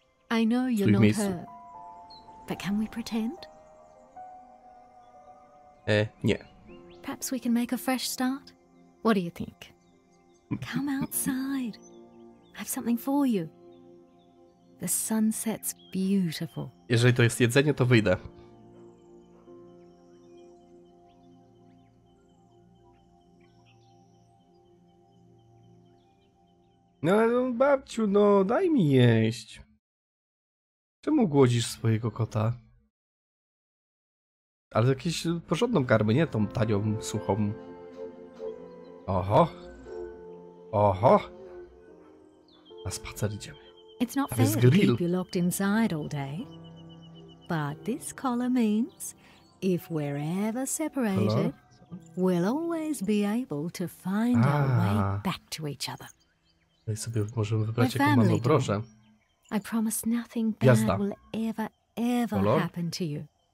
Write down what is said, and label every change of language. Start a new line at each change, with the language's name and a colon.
English: I know you're not her. But can we pretend?
Polish: Nie.
English: Perhaps we can make a fresh start? What do you think? Come outside. I have something for you. The sunset's beautiful.
Polish: Jeżeli to jest jedzenie, to wyjdę. No, babciu, no, daj mi jeść. Czemu głodzisz swojego kota? Ale jakieś porządną karmę, nie tą tanią, suchą. Oho! Oho! Na spacer idziemy.
English: It's not fair to keep you locked inside all day. But this collar means, if we're ever separated, we'll always be able to find our way back to each other.
Polish: My sobie możemy wybrać jaką mamy broszę.
English: I promise nothing bad will ever happen to you.